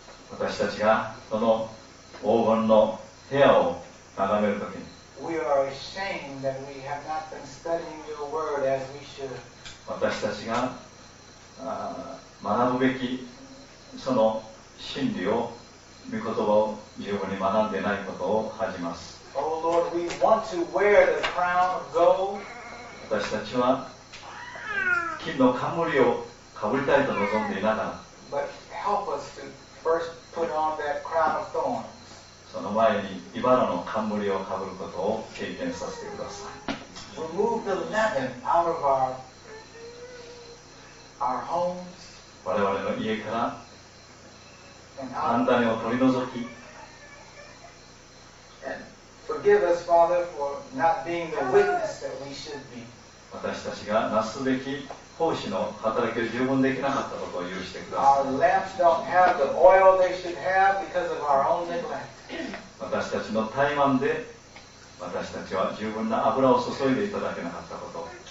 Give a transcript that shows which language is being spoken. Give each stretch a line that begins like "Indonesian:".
Japanese: 私たちがこの黄金の部屋を眺めるときに、
English: we are ashamed that we have not been studying your word as we should.
Japanese: 私たちが学ぶべきその真理を、御言葉を十分に学んでないことを恥じます。
English: Oh Lord, we want to wear the crown of gold.
Japanese: 私たちは金の冠をかぶりたいと望んでいながら、その前に茨の冠をかぶることを経験させてください。
English: Remove the leaven out of our homes.
Japanese: 我々の家から犯罪を取り除き、
English: forgive us, Father, for not being the witness that we should be.
Japanese: 私たちがなすべき奉仕の働きを十分できなかったことを許してください。私たちの怠慢で私たちは十分な油を注いでいただけなかったこと、